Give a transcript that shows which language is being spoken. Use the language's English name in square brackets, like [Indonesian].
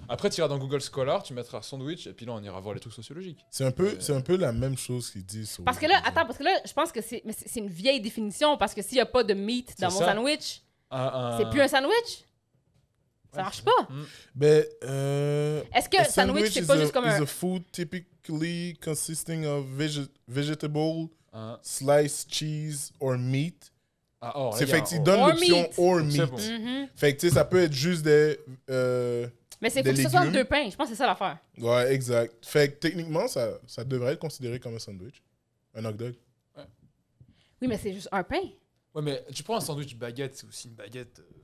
[French] Après, tu iras dans Google Scholar, tu mettras sandwich, et puis là, on ira voir les trucs sociologiques. C'est un peu, c'est un peu la même chose qu'ils disent. Sur parce que là, Google. Attends, parce que là, je pense que c'est, mais c'est une vieille définition, parce que s'il n'y a pas de meat c'est dans ça. Mon sandwich, c'est plus un sandwich? Ça marche pas. Mm. Mais, est-ce que sandwich c'est pas juste comme un [English] is a food typically consisting of vegetable, sliced cheese or meat. [French] Ah, oh, c'est fait qu'il donne l'option [English] meat. Or meat. [French] Bon. Mm-hmm. Fait que tu sais ça peut être juste des mais c'est des faut Que ce soit deux pains, je pense que c'est ça l'affaire. Ouais, exact. Fait que techniquement ça devrait être considéré comme un sandwich. Un hot dog. Ouais. Oui, mais c'est juste un pain. Ouais, mais tu prends un sandwich baguette, c'est aussi une baguette.